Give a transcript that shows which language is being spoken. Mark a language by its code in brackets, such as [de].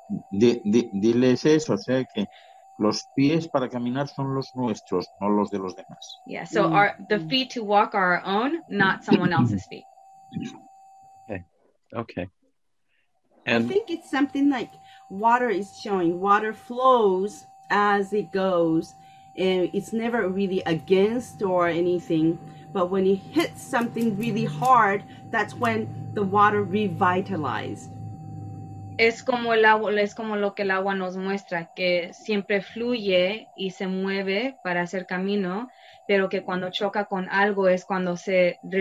[es] Diles eso, o sea que los pies para caminar son los nuestros, no los de los demás. [en] Yeah, so the feet to walk are our own, not someone else's feet. Okay. And I think it's something like water is showing. Water flows as it goes, and it's never really against or anything. But when it hits something really hard, that's when the water revitalizes. [es] Es como lo que el agua nos muestra, que siempre fluye y se mueve para hacer camino, pero que cuando choca con algo es cuando se